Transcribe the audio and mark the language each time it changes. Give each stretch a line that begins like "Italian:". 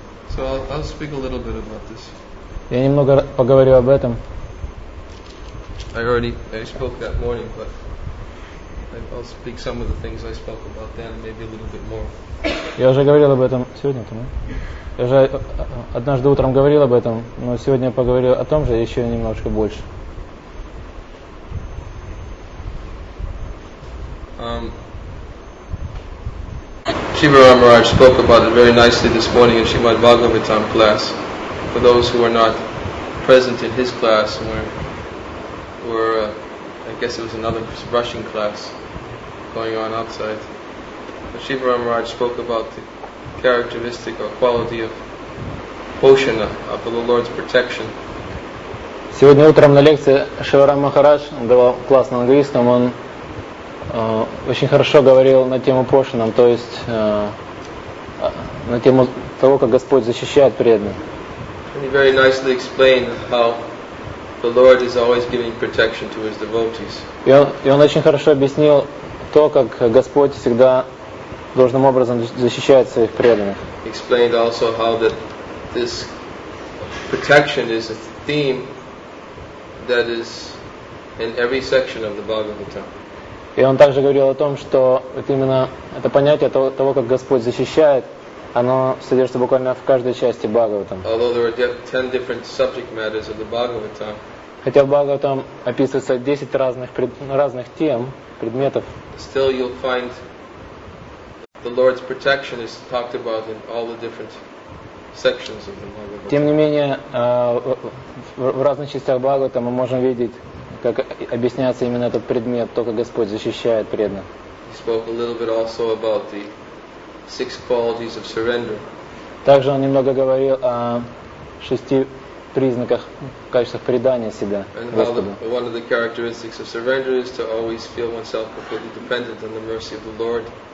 English: So I'll speak a little bit about this.
Russian: Я немного поговорю об этом.
English: I already spoke that morning, but I'll speak some of the things I spoke about then, maybe a little bit more.
Russian: Я уже говорил об этом сегодня, да? Я уже однажды утром говорил об этом, но сегодня я поговорю о том же еще немножко больше.
English: Shivaram Maharaj spoke about it very nicely this morning in Srimad Bhagavatam class. For those who were not present in his class, I guess it was another Russian class going on outside. Shivaram Maharaj spoke about the characteristic or quality of poshana, of the Lord's protection.
Russian: Сегодня утром на лекции Шиварам Махарадж давал класс на английском. Он очень хорошо говорил на тему пошана, то есть на тему того, как Господь защищает преданных.
English: He very nicely explained how the Lord is always giving protection to his devotees.
Russian: И он очень хорошо объяснил то, как Господь всегда должным образом защищает своих преданных.
English: Explained also how that this protection is a theme that is in every section of the Bhagavatam.
Russian: И он также говорил о том, что вот именно это понятие того, как Господь защищает, оно содержится буквально в каждой части Бхагаватам.
English: Although there are 10 different subject matters of the Bhagavatam.
Russian: Хотя в Бхагаватам описывается 10 разных тем, предметов.
English: Still you'll find the Lord's protection is talked about in all the different sections of the Bhagavatam.
Russian: Тем не менее, в разных частях Бхагавата мы можем видеть, как объясняется именно этот предмет, то, как Господь защищает преданных.
English: He spoke a little bit also about the six qualities of surrender.
Russian: Также он немного говорил о шести признаках, качествах предания себя Господу.
English: And one of the characteristics of surrender is to always feel oneself completely dependent on the mercy of the Lord.